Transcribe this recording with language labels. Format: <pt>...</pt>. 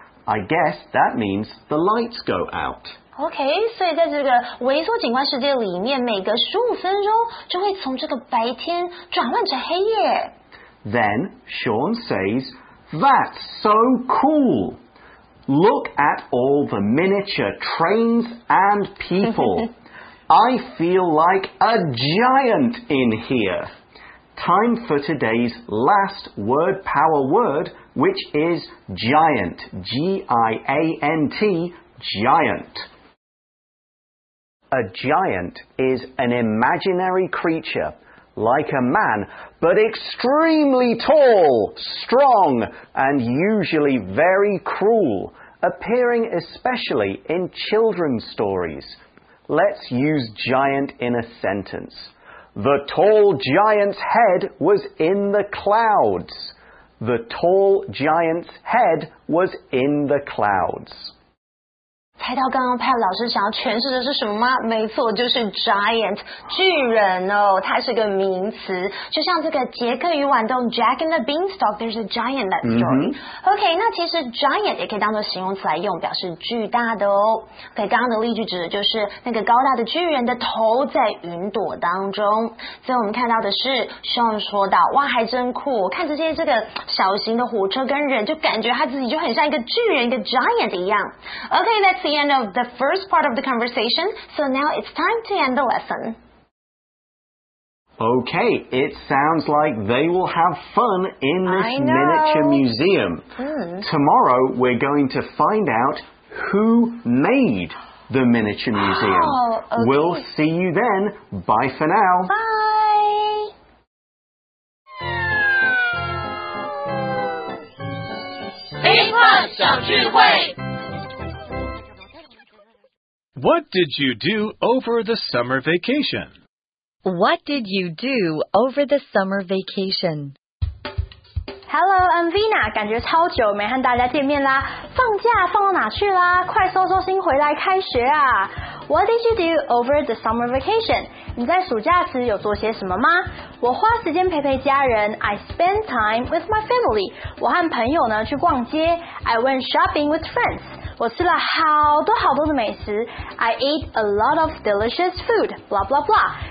<en>I guess that means the lights go out."</en> <zh>OK, 所以在这个微缩景观世界里面，每隔15分钟就会从这个白天转换成黑夜。</zh> <en>Then Sean says, that's so cool. Look at all the miniature trains and people. I feel like a giant in here. Time for today's last word power word, which is giant. G-I-A-N-T, giant. A giant is an imaginary creature, like a man, but extremely tall, strong, and usually very cruel, appearing especially in children's stories. Let's use giant in a sentence. The tall giant's head was in the clouds. The tall giant's head was in the clouds.</en> <zh>猜到刚刚 Pat 老师想要诠释的是什么吗？没错，就是 giant 巨人哦，它是个名词。就像这个杰克与豌豆</zh> <en>Jack and the Beanstalk, there's a giant in that story.、Mm-hmm.</en> <zh>OK, 那其实 giant 也可以当作形容词来用，表示巨大的哦。 OK, 刚刚的例句指的就是那个高大的巨人的头在云朵当中。所以我们看到的是 Sean 说到，哇，还真酷，看这些这个小型的火车跟人，就感觉他自己就很像一个巨人，一个 giant 一样。</zh> <en>OK, that's the end of the first part of the conversation. So now it's time to end the lesson. Okay, it sounds like they will have fun in this miniature museum.、Mm. Tomorrow, we're going to find out who made the miniature museum. Oh, okay. We'll see you then. Bye for now. Bye. What did you do over the summer vacation? What did you do over the summer vacation? Hello, I'm Vina.</en> <zh>感觉超久没和大家见面啦。放假放到哪去啦？快收收心回来开学啊。</zh> <en>What did you do over the summer vacation?</en> <zh>你在暑假时有做些什么吗？我花时间陪陪家人。</zh> <en>I spend time with my family.</en> <zh>我和朋友呢去逛街。</zh> <en>I went shopping with friends.</en> <zh>我吃了好多好多的美食。</zh> <en>I ate a lot of delicious food. Blah blah blah.</en>